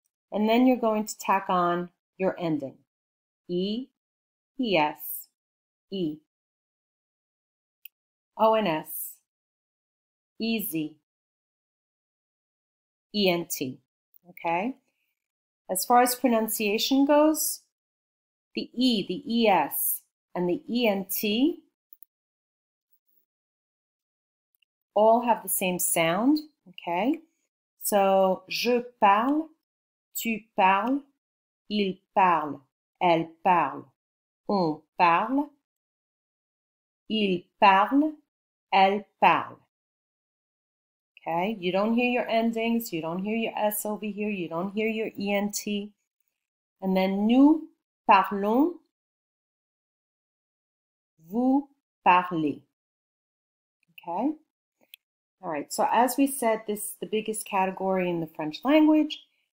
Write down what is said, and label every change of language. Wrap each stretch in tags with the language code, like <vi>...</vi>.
<en>And then you're going to tack on your ending, E, ES, E, ONS, EZ, ENT. Okay. As far as pronunciation goes, the E, the ES, and the ENT all have the same sound. Okay. So,</en> <fr>je parle, tu parles. Il parle, elle parle, on parle, il parle, elle parle.</fr> <en>Okay, you don't hear your endings, you don't hear your S over here, you don't hear your ENT. And then</en> <fr>nous parlons, vous parlez.</fr> <en>Okay, all right, so as we said, this is the biggest category in the French language.</en>